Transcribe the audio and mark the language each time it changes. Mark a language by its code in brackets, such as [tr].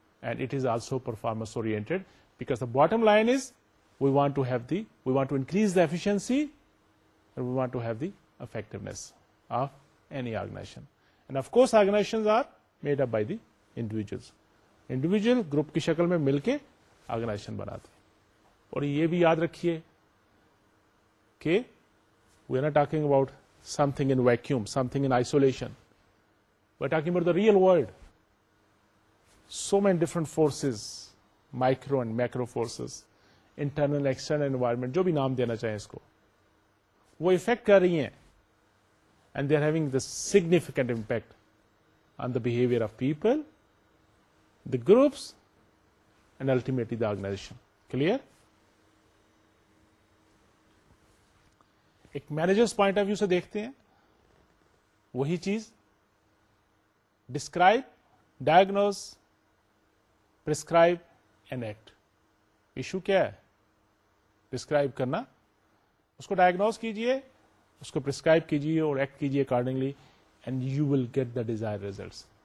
[en] And it is also performance oriented because the bottom line is we want to increase the efficiency and we want to have the effectiveness of any organization. And of course organizations are made up by the individuals. Individual group [ur] کی شکل میں مل کے organization بناتے ہیں. اور یہ بھی یاد رکھیے کہ [en] we are not talking about something in vacuum, something in isolation. We're talking about the real world. So many different forces, micro and macro forces, internal, external environment, [ur] jo bhi naam dena chahe isko, wo effect kar rahi hain, [en] and they're having the significant impact on the behavior of people, the groups, and ultimately the organization. Clear? [ur] ایک managers point of view سے دیکھتے ہیں وہی چیز, [en] Describe, diagnose, prescribe and act. [ur] Issue کیا ہے؟ Describe کرنا, اس کو ڈائگنوز کیجئے, اس کو پرسکرائب کیجئے اور ایکٹ کیجئے accordingly, [en] And you will get the desired results.